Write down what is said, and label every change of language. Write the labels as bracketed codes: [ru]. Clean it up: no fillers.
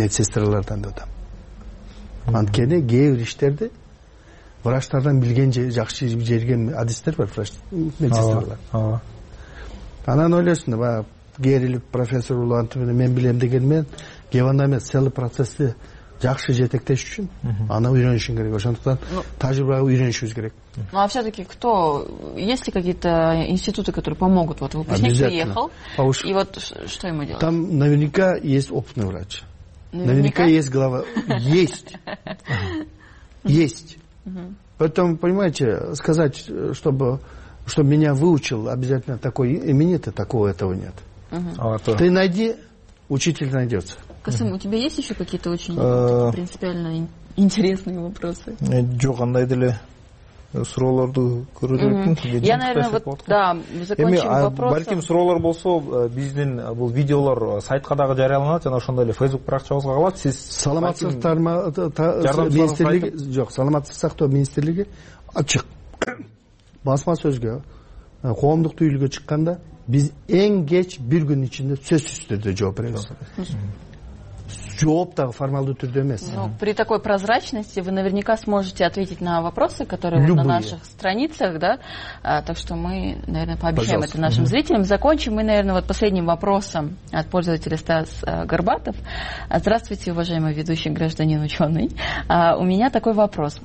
[ky] Медсестралардан деп атам. Анткени кээ бир иштерди врачтардан билген жакшы жерген адистер бар медсестралар. Анан ойлойсуң да баягы керилип профессор улуп антип менен мен билем деген менен кеванда эмес целый процессти жакшы жетектеш үчүн аны үйрөнүшүң керек. Ошондуктан тажрыйбага үйрөнүшүбүз керек. [ru] Ну а все-таки кто, есть ли какие-то институты, которые помогут? Вот выпускник приехал, и вот что ему делать? Там наверняка есть опытный врач. Наверняка есть глава. Есть. Есть. Поэтому, понимаете, сказать, чтобы меня выучил обязательно такой именитый, такого этого нет. Ты найди, учитель найдется. Касым, у тебя есть еще какие-то очень принципиально интересные вопросы? [ky] Жок, андай деле суроолорду көрүү керек. [ru] Я, наверное, вот, да, закончим вопрос. [ky] Балким суроолор болсо, биздин бул видеолор сайтка дагы жарыяланат, жана ошондой эле Facebook баракчабызга калат. Сиз саламатсыз сактоо министрлиги ачык. Басма сөзгө, коомдук түйүлгө чыкканда биз эң кеч бир күн ичинде сөзсүз түрдө жооп беребиз. Жооп дагы формалдуу түрдө эмес. [ru] Ну, при такой прозрачности вы наверняка сможете ответить на вопросы, которые вот на наших страницах, да? Так что мы, наверное, пообещаем, пожалуйста, это нашим зрителям. Закончим мы, наверное, вот последним вопросом от пользователя Стас Горбатов. Здравствуйте, уважаемый ведущий, гражданин ученый. У меня такой вопрос.